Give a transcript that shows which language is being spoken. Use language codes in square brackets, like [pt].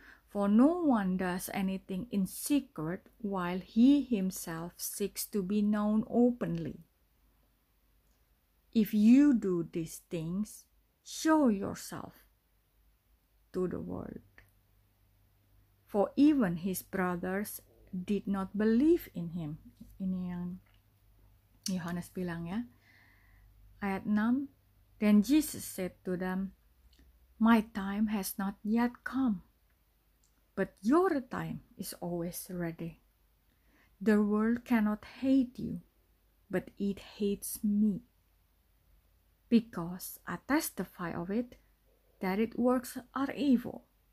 [en] For no one does anything in secret while he himself seeks to be known openly. If you do these things, show yourself to the world. For even his brothers did not believe in him. [id] Ini yang Yohanes bilang ya. Ayat 6, [en] then Jesus said to them, my time has not yet come, but your time is always ready. The world cannot hate you, but it hates me, because I testify of it that its works are evil.